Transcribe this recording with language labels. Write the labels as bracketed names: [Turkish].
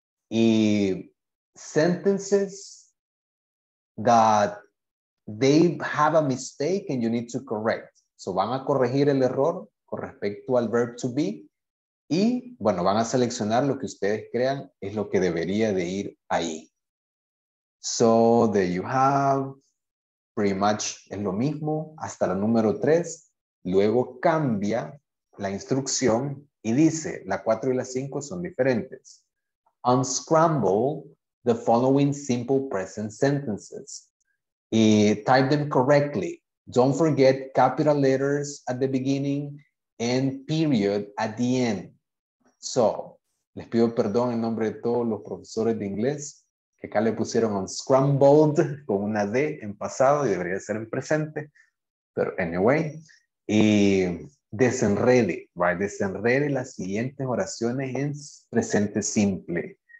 [English] Y sentences that they have a mistake and you need to correct. [Spanish] So, van a corregir el error con respecto al verb to be. Y, bueno, van a seleccionar lo que ustedes crean es lo que debería de ir ahí. [English] So there you have, pretty much [Spanish] es lo mismo, hasta la número 3. Luego cambia la instrucción y dice, la 4 y la 5 son diferentes. [English] Unscramble the following simple present sentences. Y type them correctly. Don't forget capital letters at the beginning and period at the end. [Spanish] So, les pido perdón en nombre de todos los profesores de inglés. Que acá le pusieron un scrambled con una D en pasado y debería ser en presente. Pero anyway, y desenrede, right? Desenrede las siguientes oraciones en presente simple.